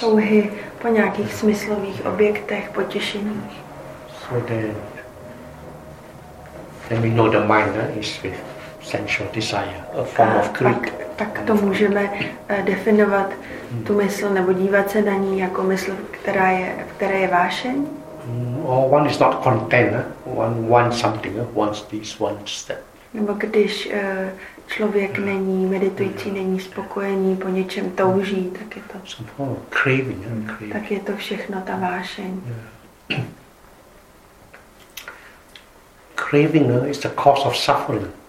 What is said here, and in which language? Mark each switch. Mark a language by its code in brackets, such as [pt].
[cs] Touhy po nějakých smyslových objektech, potěšeních. [en] So then we know the mind is with sensual desire, a form of greed. [cs] Tak to můžeme definovat tu mysl, nebo dívat se na ní jako mysl, která je vášeň. [en] Or one is not content, one wants something, wants this, wants that. [cs] Nebo když člověk není meditující, není spokojený, po něčem touží, tak je to. [en] Craving, [cs] tak je to všechno ta vášeň. [en] Craving is the cause of suffering.